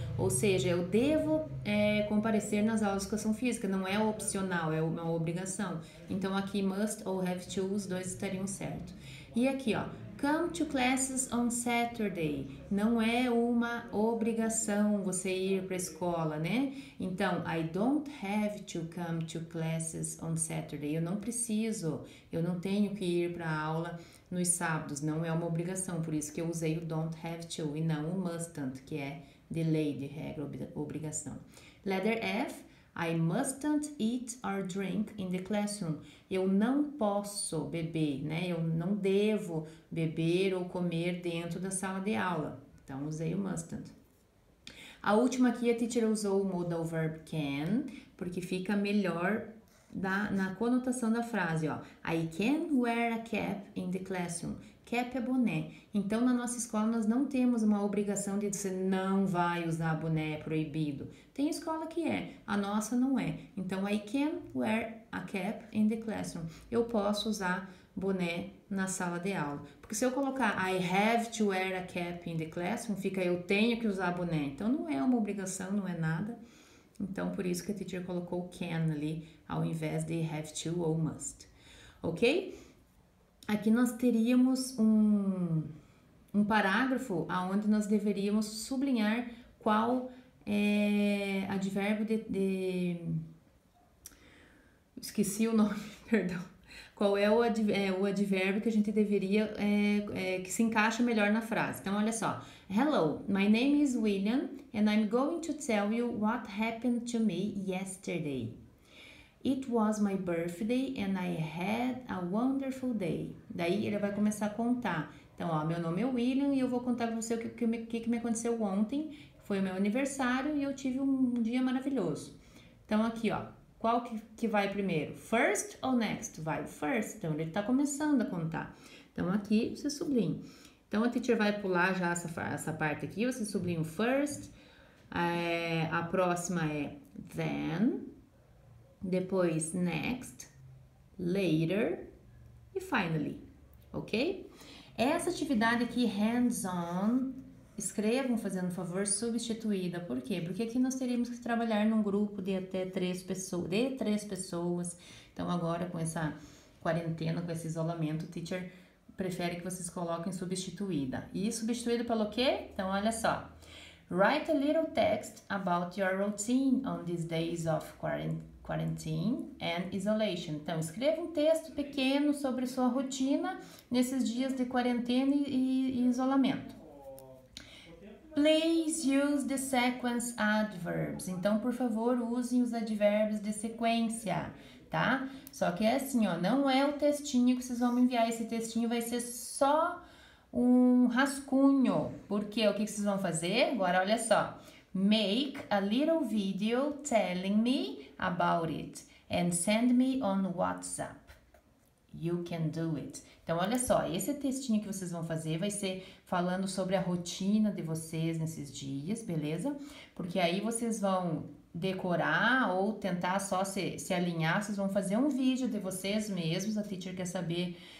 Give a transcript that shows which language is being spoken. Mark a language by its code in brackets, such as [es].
[pt] Ou seja, eu devo comparecer nas aulas de educação física, não é opcional, é uma obrigação. Então, aqui must ou have to, os dois estariam certo. E aqui, ó, [en] come to classes on Saturday. [pt] Não é uma obrigação você ir para a escola, né? [en] Então, I don't have to come to classes on Saturday. [pt] Eu não preciso, eu não tenho que ir para a aula nos sábados. Não é uma obrigação, por isso que eu usei o don't have to e não o mustn't, que é de lei, de regra, obrigação. Letter F. [en] I mustn't eat or drink in the classroom. [pt] Eu não posso beber, né? Eu não devo beber ou comer dentro da sala de aula. Então, usei o mustn't. A última aqui, a teacher usou o modal verb can, porque fica melhor na conotação da frase, ó. [en] I can wear a cap in the classroom. [pt] Cap é boné. Então, na nossa escola, nós não temos uma obrigação de dizer não vai usar boné, é proibido. Tem escola que é, a nossa não é. [en] Então, I can wear a cap in the classroom. [pt] Eu posso usar boné na sala de aula. Porque se eu colocar [en] I have to wear a cap in the classroom, [pt] fica eu tenho que usar boné. Então, não é uma obrigação, não é nada. Então, por isso que a teacher colocou can ali, ao invés de have to ou must. Ok? Aqui nós teríamos um parágrafo onde nós deveríamos sublinhar qual é advérbio de... Esqueci o nome, perdão. Qual é o advérbio que a gente deveria... que se encaixa melhor na frase. Então, olha só. [en] Hello, my name is William and I'm going to tell you what happened to me yesterday. It was my birthday and I had a wonderful day. [pt] Daí ele vai começar a contar. Então, ó, meu nome é William e eu vou contar pra você o que me aconteceu ontem. Foi o meu aniversário e eu tive um dia maravilhoso. Então, aqui, ó, qual que vai primeiro? First ou next? Vai first. Então, ele tá começando a contar. Então, aqui, você sublinha. Então, a teacher vai pular já essa parte aqui. Você sublinha o first. A próxima é then. Depois, next, later e finally, ok? Essa atividade aqui, hands-on, escrevam, fazendo favor, substituída. Por quê? Porque aqui nós teríamos que trabalhar num grupo de até três pessoas. Então, agora, com essa quarentena, com esse isolamento, o teacher prefere que vocês coloquem substituída. E substituída pelo quê? Então, olha só. [en] Write a little text about your routine on these days of quarantine and isolation. [pt] Então, escreva um texto pequeno sobre sua rotina nesses dias de quarentena e isolamento. [en] Please use the sequence adverbs. [pt] Então, por favor, usem os advérbios de sequência, tá? Só que é assim, ó, não é o textinho que vocês vão me enviar. Esse textinho vai ser só um rascunho. Porque o que vocês vão fazer? Agora, olha só. [en] Make a little video telling me about it and send me on WhatsApp. You can do it. [pt] Então, olha só, esse textinho que vocês vão fazer vai ser falando sobre a rotina de vocês nesses dias, beleza? Porque aí vocês vão decorar ou tentar só se alinhar, vocês vão fazer um vídeo de vocês mesmos, a teacher quer saber...